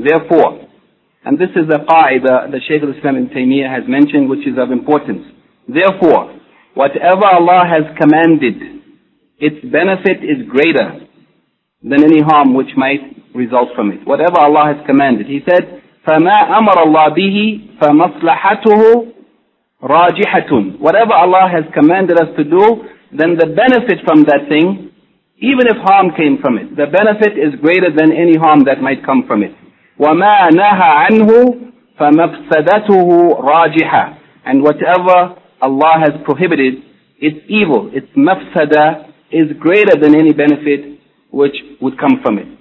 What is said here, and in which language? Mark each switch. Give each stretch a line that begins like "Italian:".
English: Therefore, and this is the qaida that Shaykh al-Islam Ibn Taymiyyah has mentioned, which is of importance. Therefore, whatever Allah has commanded, its benefit is greater than any harm which might result from it. Whatever Allah has commanded. He said,
Arabic: فَمَا أَمَرَ اللَّهِ بِهِ فَمَصْلَحَتُهُ رَاجِحَةٌ.
English: Whatever Allah has commanded us to do, then the benefit from that thing, even if harm came from it, the benefit is greater than any harm that might come from it.
Arabic: وَمَا نَهَى عَنْهُ فَمَفْسَدَتُهُ رَاجِحَةٌ.
English: And whatever Allah has prohibited, its evil, its mafsada, is greater than any benefit which would come from it.